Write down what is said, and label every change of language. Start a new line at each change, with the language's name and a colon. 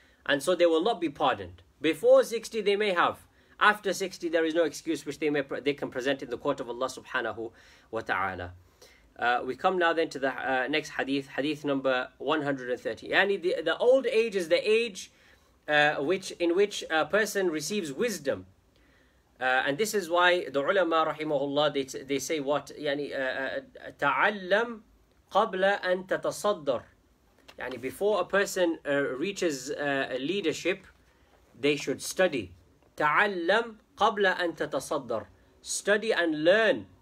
English: And so they will not be pardoned. Before 60 they may have. After 60 there is no excuse which they can present in the court of Allah subhanahu wa ta'ala. We come now then to the next hadith. Hadith number 130. Yani the old age is the age in which a person receives wisdom. And this is why the ulama rahimahullah, they say what?
Arabic: Yani ta'allam قَبْلَ أَن تَتَصَدَّرْ.
English: Yani before a person reaches leadership, they should study.
Arabic: تَعَلَّمْ قَبْلَ أَن تَتَصَدَّرْ.
English: Study and learn